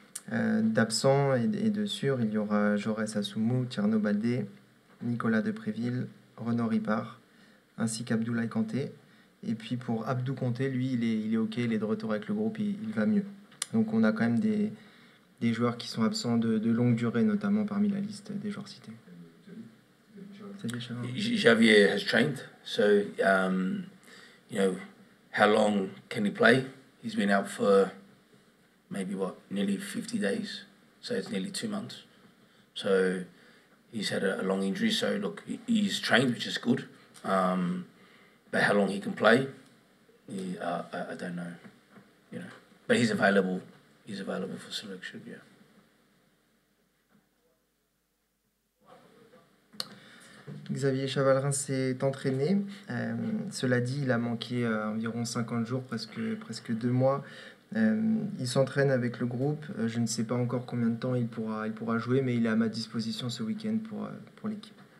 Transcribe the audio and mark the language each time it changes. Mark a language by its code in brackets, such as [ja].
[fr] D'absent et de sûr, il y aura Jaurès Assoumou, Tierno Baldé, Nicolas Depréville, Renaud Ripard, ainsi qu'Abdoulaye Kanté. Et puis pour Abdou Kanté, lui, il est OK, il est de retour avec le groupe, il va mieux. Donc on a quand même des joueurs qui sont absents de longue durée, notamment parmi la liste des joueurs cités. [en] Javier has trained, so you know, how long can he play? He's been out for maybe what, nearly 50 days, so it's nearly 2 months. So he's had a long injury, so look, he's trained, which is good, but how long he can play, I don't know, you know. But he's available for selection, yeah. [fr] Xavier Chavalrin s'est entraîné. Cela dit, il a manqué environ 50 jours, presque 2 mois. Il s'entraîne avec le groupe. Je ne sais pas encore combien de temps il pourra jouer, mais il est à ma disposition ce week-end pour l'équipe.